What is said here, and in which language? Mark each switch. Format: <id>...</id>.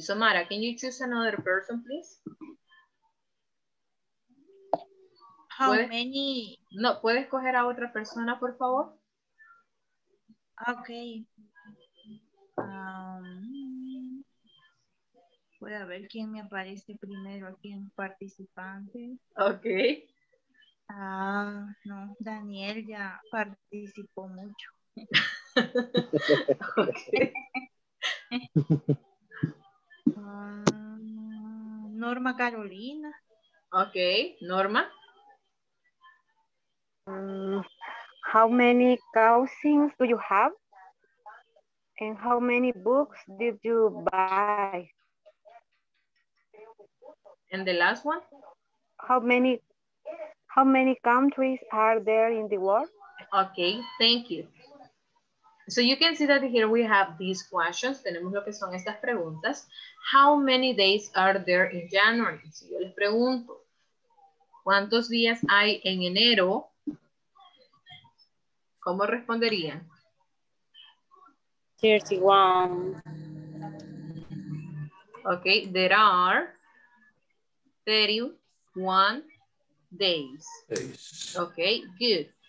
<en>So Mara, can you choose another person, please? How many?</en> <es>No, ¿puedes coger a otra persona, por favor?</es> <en>Okay.</en> <es>Voy a ver quién me aparece primero aquí en participante. Ok. Ah, no, Daniel ya participó mucho. Norma Carolina. Ok, Norma.</es> <en>How many cousins do you have? And how many books did you buy? And the last one? How many countries are there in the world? Okay, thank you. So you can see that here we have these questions.</en> <es>Tenemos lo que son estas preguntas.</es> <en>How many days are there in January?</en> <es>Si yo les pregunto, ¿cuántos días hay en enero? ¿Cómo responderían? 31.</es> <en>Okay, there are 31 days. Okay, good.</en>